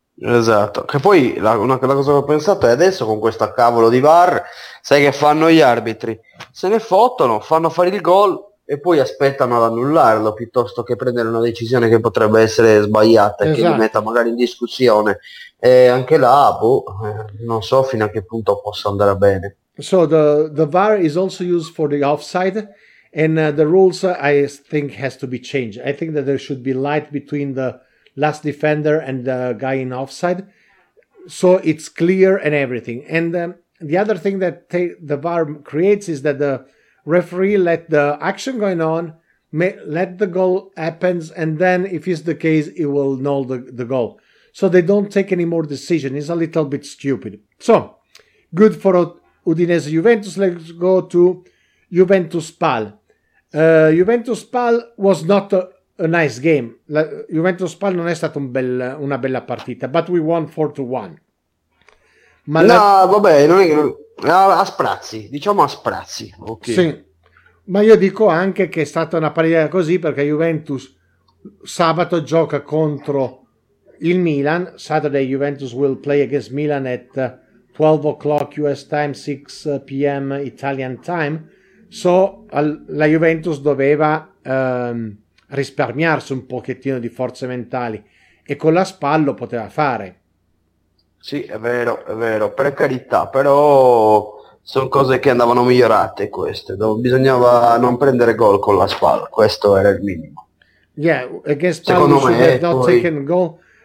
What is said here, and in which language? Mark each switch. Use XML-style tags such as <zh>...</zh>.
<it>Esatto, che poi la cosa che ho pensato è adesso con questo cavolo di VAR, sai che fanno gli arbitri? Se ne fottono, fanno fare il gol e poi aspettano ad annullarlo piuttosto che prendere una decisione che potrebbe essere sbagliata e esatto. Che li metta magari in discussione. E anche là, non so fino a che punto possa andare bene.</it> <en>So the VAR is also used for the offside and the rules I think has to be changed. I think that there should be light between the last defender and the guy in offside, so it's clear and everything. And the other thing that the VAR creates is that the referee let the action going on, let the goal happens, and then if it's the case, it will null the goal. So they don't take any more decision. It's a little bit stupid. So, good for Udinese Juventus. Let's go to Juventus Pal. Juventus Pal was not a nice game.</en> <it>Juventus Pal non è stata una bella partita,</it> <en>but we won 4-1.</en> <it>Ma no, vabbè, non è che... a sprazzi, diciamo a sprazzi, okay. Sì, ma io dico anche che è stata una partita così perché Juventus sabato gioca contro il Milan.</it> <en>Saturday Juventus will play against Milan at 12 o'clock US time, 6 p.m. Italian time, so</en> <it>la Juventus doveva risparmiarsi un pochettino di forze mentali e con la SPAL lo poteva fare. Sì, è vero, per carità, però sono cose che andavano migliorate queste, bisognava non prendere gol con la SPAL, questo era il minimo.</it> <en>Yeah, against Spal</en> <it>secondo me,</it> <en>have not taken goal.</en>